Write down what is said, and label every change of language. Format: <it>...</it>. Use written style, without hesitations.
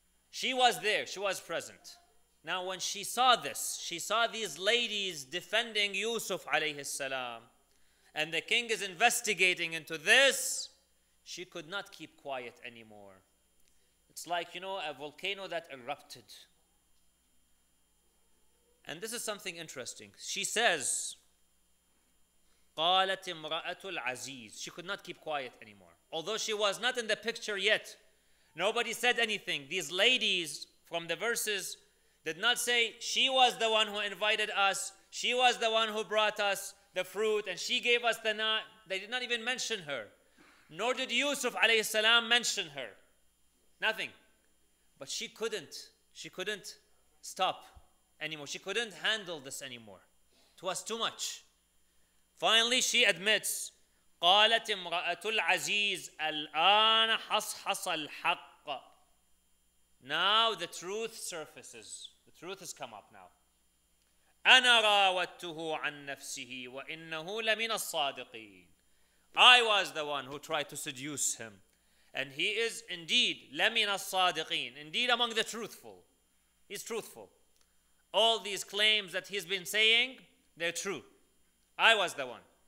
<en>She was there, she was present. Now when she saw this, she saw these ladies defending Yusuf alayhi salam, and the king is investigating into this, she could not keep quiet anymore. It's like, you know, a volcano that erupted. And this is something interesting. She says,</en> <ar>قالت امرأت العزيز.</ar> <en>She could not keep quiet anymore. Although she was not in the picture yet, nobody said anything. These ladies from the verses did not say, she was the one who invited us, she was the one who brought us the fruit, and she gave us the nut. They did not even mention her. Nor did Yusuf alayhi salam mention her. Nothing. But she couldn't stop anymore. She couldn't handle this anymore. It was too much. Finally, she admits,</en> <ar>قالت امرأة العزيز الآن حصحص الحق.</ar> <en>Now the truth surfaces. The truth has come up now.</en> <ar>أَنَا رَاوَدْتُهُ عَن نَفْسِهِ وَإِنَّهُ لَمِنَ الصَّادِقِينَ.</ar> <en>I was the one who tried to seduce him. And he is indeed</en> <ar>لَمِنَ الصَّادِقِينَ.</ar> <en>Indeed among the truthful. He's truthful. All these claims that he's been saying, they're true. I was the one.</en>